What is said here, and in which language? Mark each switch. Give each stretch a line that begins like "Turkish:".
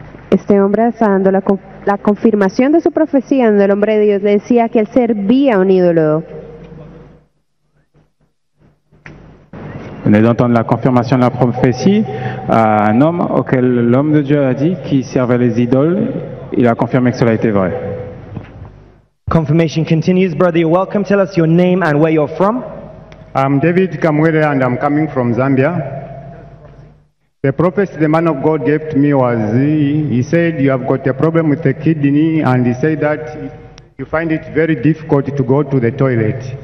Spanish: Este hombre dando la confirmación de su profecía, donde el hombre de Dios le decía que él servía a un ídolo.
French: Venez d'entendre la confirmation de la prophétie à un homme auquel l'homme de Dieu a dit qu'il servait les idoles. Il a confirmé que cela était vrai.
English: Confirmation continues. Brother, you're welcome. Tell us your name and where you're from. I'm David Kamwele and I'm coming from Zambia. The prophecy the man of God gave to me was, he said, you have got a problem with the kidney, and he said that you find it very difficult to go to the toilet.